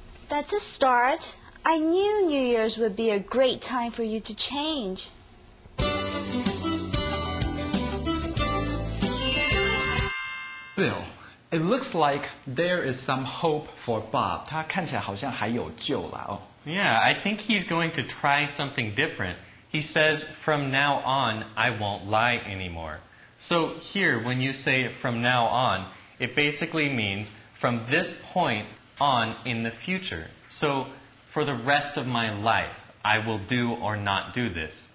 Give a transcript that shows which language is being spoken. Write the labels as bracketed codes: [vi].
[en] That's a start. I knew New Year's would be a great time for you to change. Bill, it looks like there is some hope for Bob. [zh] 他看起来好像还有救了、哦、 [en] Yeah, I think he's going to try something different. He says, from now on, I won't lie anymore. So here, when you say from now on, it basically means from this point on in the future. So for the rest of my life, I will do or not do this.